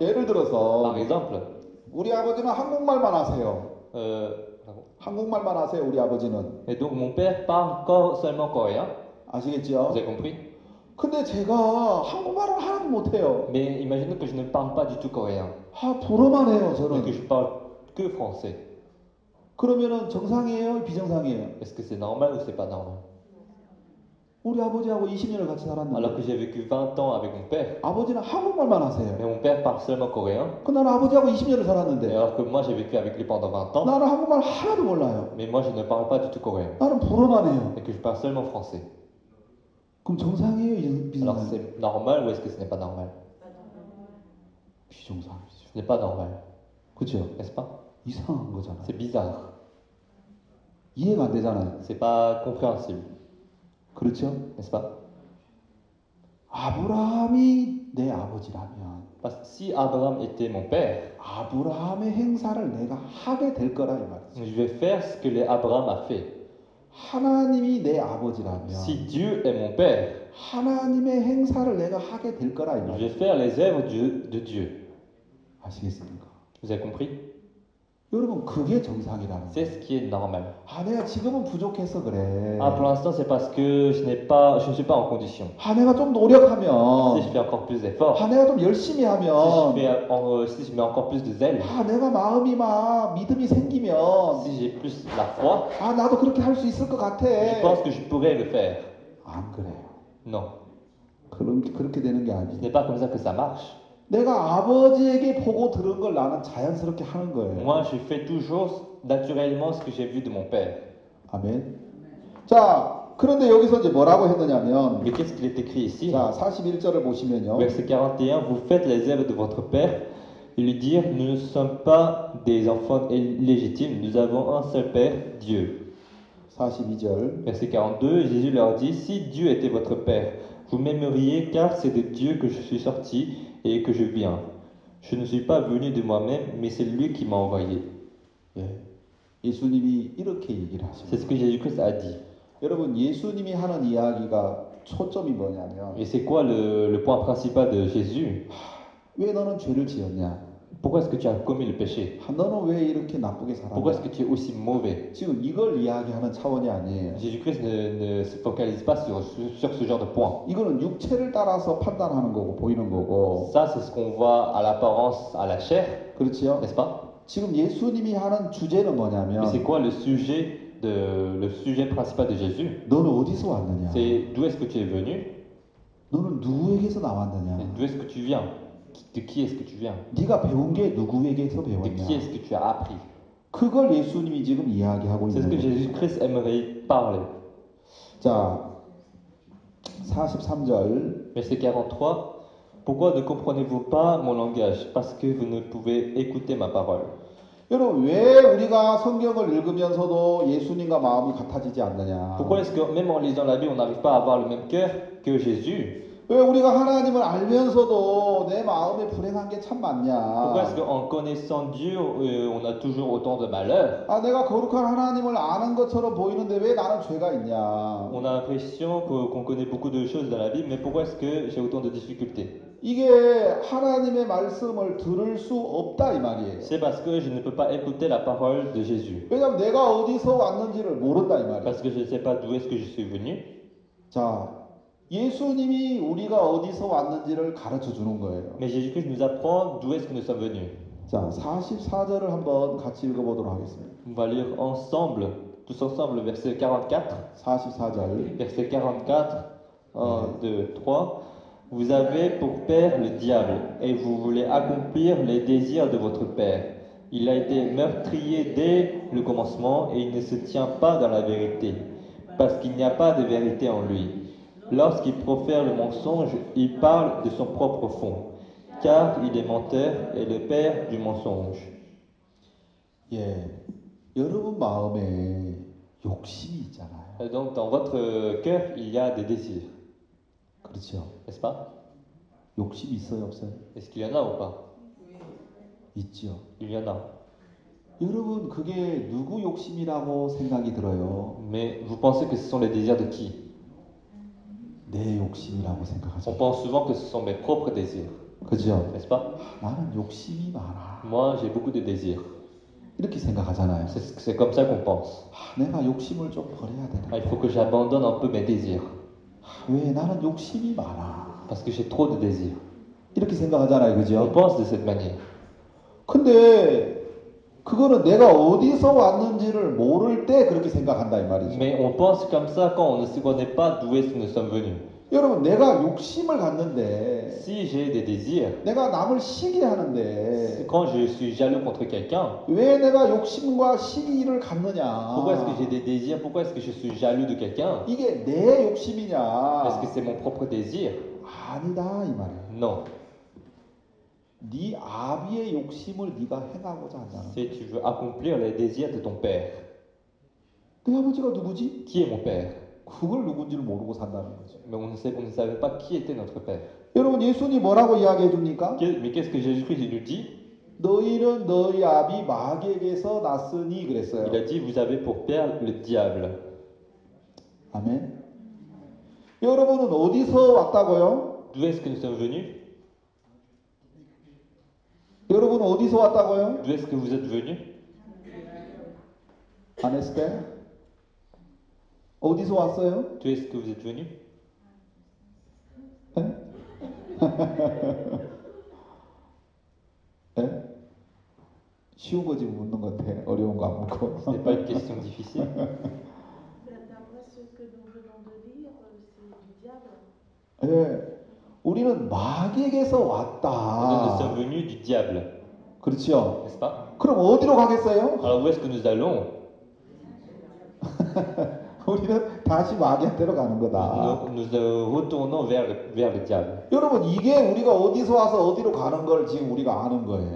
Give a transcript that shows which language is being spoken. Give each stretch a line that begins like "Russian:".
Korean: 예를
French: Par
Korean: 들어서
French: exemple,
Korean: 우리 아버지는 한국말만 하세요. 한국말만 하세요, 우리 아버지는.
French: Et donc mon père parle seulement coréen.
Korean: 아시겠죠? 왜
French: compris?
Korean: 근데 제가 한국말을 하나도 못해요.
French: Mais imaginez que je ne parle pas du tout coréen.
Korean: 아, 불어만 해요,
French: Et que je parle que français.
Korean: 그러면은 정상이에요, 비정상이에요?
French: Est-ce que c'est normal ou c'est pas normal?
Korean: 우리 아버지하고 20년을 같이
French: Alors que j'ai vécu 20 ans avec mon père.
Korean: 아버지는 한국말만 하세요.
French: Mais mon père parle seulement coréen.
Korean: 그 나는 아버지하고 20년을
French: Et
Korean: 살았는데
French: alors que moi j'ai vécu avec lui pendant 20 ans.
Korean: 나는 한국말 하나도 몰라요.
French: Mais moi je ne parle pas du tout coréen.
Korean: 나는 불어만 해요.
French: Et que je parle seulement français.
Korean: 그럼 정상이에요,
French: Alors
Korean: 비정상이에요?
French: c'est normal ou est-ce que ce n'est pas normal?
Korean: 비정상이죠. 비정상.
French: Ce n'est pas normal.
Korean: 그렇죠?
French: N'est-ce pas?
Korean: 이상한 거잖아요.
French: C'est bizarre.
Korean: 이해가 안 되잖아요.
French: C'est pas compréhensible.
Korean: 그렇죠?
French: N'est-ce pas?
Korean: 아브라함이 내 아버지라면
French: Parce que si Abraham était mon père,
Korean: 아브라함의 행사를 내가 하게 될 거라 이
French: je vais faire ce que Abraham a fait.
Korean: 말이지. 하나님이 내 아버지라면
French: Si Dieu est mon père,
Korean: 하나님의 행사를 내가 하게 될 거라 이
French: je vais faire les œuvres de Dieu.
Korean: 아시겠습니까?
French: Vous avez compris?
Korean: 여러분 그게 정상이라는
French: C'est ce qui est normal.
Korean: 아 내가 지금은 부족해서 그래.
French: Ah, pour l'instant, c'est parce que je ne suis pas en condition.
Korean: 아 내가 좀 노력하면.
French: Si je fais encore plus d'efforts.
Korean: 아 내가 좀 열심히 하면.
French: Si je mets encore plus de zèle.
Korean: 아 내가 마음이 막 믿음이 생기면.
French: Si j'ai plus la foi.
Korean: 아 나도 그렇게 할수 있을 것 같아.
French: Je pense que je pourrais le faire.
Korean: 안 그래요.
French: Non.
Korean: 그렇게 되는 게 아니지.
French: Ce n'est pas comme ça que ça marche.
Korean: 내가 아버지에게 보고 들은 걸 나는 자연스럽게 하는 거예요.
French: Moi, je fais toujours naturellement ce que j'ai vu de mon père.
Korean: 아멘. 자, 그런데 여기서 이제 뭐라고 했느냐면
French: Mais qu'est-ce qu'il est écrit ici?
Korean: 자, 41절을 보시면요.
French: Verset 41, vous faites les œuvres de votre père et lui dire, nous ne sommes pas des enfants illégitimes, nous avons un seul père, Dieu.
Korean: 42절.
French: Verset 42, Jésus leur dit, si Dieu était votre père, vous m'aimeriez car c'est de Dieu que je suis sorti. Et que je viens. Je ne suis pas venu de moi-même, mais c'est lui qui m'a envoyé.
Korean: 예, 예수님이 이렇게 얘기를 하십니다.
French: C'est ce que Jésus-Christ a dit.
Korean: 여러분, 예수님이 하는 이야기가 초점이 뭐냐면.
French: Et c'est quoi le point principal de Jésus?
Korean: 왜 너는 죄를 지었냐?
French: Pourquoi est-ce que tu as commis le péché?
Korean: 아, 너는 왜 이렇게 나쁘게 살았냐?
French: Pourquoi est-ce que tu es aussi mauvais?
Korean: 지금 이걸 이야기하는 차원이 아니에요.
French: Jésus-Christ ne se focalise pas sur ce genre de point.
Korean: 이거는 육체를 따라서 판단하는 거고 보이는 거고.
French: Ça, c'est ce qu'on voit à l'apparence, à la chair.
Korean: 그렇지요?
French: N'est-ce pas?
Korean: 지금 예수님이 하는 주제는 뭐냐면.
French: Mais c'est quoi le sujet principal de Jésus?
Korean: 너는 어디서 왔느냐?
French: C'est d'où est-ce que tu es venu? 너는 누구에게서 나왔느냐? D'où est-ce que tu viens? De qui est-ce que tu viens?
Korean: 네가 배운 게 누구에게서 배웠냐?
French: De qui est-ce que tu as appris?
Korean: 그걸 예수님이 지금 이야기하고 있는 거예요.
French: C'est ce que Jésus-Christ aimerait parler.
Korean: 자, 43절.
French: Verset 43. Pourquoi ne comprenez-vous pas mon langage? Parce que vous ne pouvez écouter ma parole.
Korean: 여러분, 왜 우리가 성경을 읽으면서도 예수님과 마음이 같아지지 않느냐?
French: Pourquoi est-ce que même en lisant la Bible, on n'arrive pas à avoir le même cœur que Jésus?
Korean: 왜 우리가 하나님을 알면서도 내 마음에 불행한 게참 많냐?
French: Pourquoi est-ce qu'en connaissant Dieu, on a toujours autant de malheur?
Korean: 아, 내가 거룩한 하나님을 아는 것처럼 보이는데 왜 나는 죄가 있냐?
French: On a l'impression qu'on connaît beaucoup de choses dans la Bible, mais pourquoi est-ce que j'ai autant de difficultés?
Korean: 이게 하나님의 말씀을 들을 수 없다 이 말이에요.
French: C'est parce que je ne peux pas écouter la parole de Jésus.
Korean: 왜냐면 내가 어디서 왔는지를 모른다 이 말이에요.
French: Parce que je ne sais pas d'où est-ce que je suis venu.
Korean: 자. 예수님이 우리가 어디서 왔는지를 가르쳐 주는 거예요.
French: Mais Jésus-Christ nous apprend d'où est-ce que nous sommes venus.
Korean: 자, 44절을 한번 같이 읽어 보도록 하겠습니다.
French: On va lire ensemble, tous ensemble, verset 44.
Korean: 44절.
French: Verset 44, 1, 2, 3. Vous avez pour père le diable et vous voulez accomplir les désirs de votre père. Il a été meurtrier dès le commencement et il ne se tient pas dans la vérité parce qu'il n'y a pas de vérité en lui. Lorsqu'il profère le mensonge, il parle de son propre fond. car il est menteur et le père du mensonge.
Korean: 여러분 마음에 욕심이 있잖아요.
French: Et donc, dans votre cœur, il y a des désirs.
Korean: 그렇죠.
French: N'est-ce pas?
Korean: 욕심 있어요, 없어요?
French: Est-ce qu'il y en a ou pas?
Korean: 있죠.
French: Il y en a.
Korean: 여러분, 그게 누구 욕심이라고 생각이 들어요?
French: Mais vous pensez que ce sont les désirs de qui?
Korean: 내 욕심이라고 생각하죠.
French: On pense souvent que ce sont mes propres désirs.
Korean: 그죠?
French: N'est-ce pas?
Korean: 나는 욕심이 많아.
French: Moi, j'ai beaucoup de désirs.
Korean: 이렇게 생각하잖아요.
French: C'est comme ça qu'on pense.
Korean: 내가 욕심을 좀 버려야
French: Ah, il faut
Korean: 되는데.
French: que j'abandonne un peu mes désirs.
Korean: 왜 나는 욕심이 많아.
French: Parce que j'ai trop de désirs.
Korean: 이렇게 생각하잖아요.
French: On
Korean: 그죠?
French: pense de cette manière.
Korean: 근데 그거는 내가 어디서 왔는지를 모를 때 그렇게 생각한다 이
French: Mais on pense comme ça quand on ne se connaît pas d'où est-ce que nous sommes venus.
Korean: 여러분, 내가 욕심을 갖는데,
French: Si j'ai des désirs,
Korean: 내가 남을 시기하는데,
French: quand je suis jaloux contre quelqu'un,
Korean: 왜 내가 욕심과 시기를
French: pourquoi est-ce
Korean: 갖느냐?
French: que j'ai des désirs? Pourquoi est-ce que je suis jaloux de quelqu'un?
Korean: 이게 내 욕심이냐?
French: Est-ce que c'est mon propre désir?
Korean: 아니다, 이 말이야.
French: Non.
Korean: 네 아비의 욕심을 네가 행하고자 한다는
French: Si tu veux accomplir les désirs de ton père,
Korean: 네 아버지가 누구지?
French: qui est mon père?
Korean: 그걸 누군지를 모르고 산다는 거죠.
French: Mais on ne savait pas qui était notre père.
Korean: 여러분, 예수님 뭐라고 이야기해 줍니까?
French: Mais qu'est-ce que Jésus-Christ nous dit?
Korean: 너희는 너희 아비 마귀에게서 났으니 그랬어요.
French: Il a dit, vous avez pour père le diable.
Korean: 아멘. 여러분은 어디서 왔다고요?
French: D'où est-ce que nous sommes venus?
Korean: 여러분은 어디서 왔다고요?
French: D'où est-ce que vous êtes venus?
Korean: 아멘. 어디서 왔어요?
French: D'où est-ce que vous êtes venu?
Korean: 쉬운 거 지금 묻는 것 같아. 어려운 거안 묻고.
French: Ce n'est pas une question difficile. D'après ce que nous venons de lire, c'est du diable.
Korean: 우리는 마귀에게서 왔다.
French: Nous sommes venus du diable.
Korean: 그렇죠?
French: N'est-ce pas?
Korean: 그럼 어디로 가겠어요?
French: Alors où est-ce que nous allons?
Korean: 우리는 다시 마귀한테로 가는 거다.
French: Nous retournons vers le diable.
Korean: 여러분, 이게 우리가 어디서 와서 어디로 가는 걸 지금 우리가 아는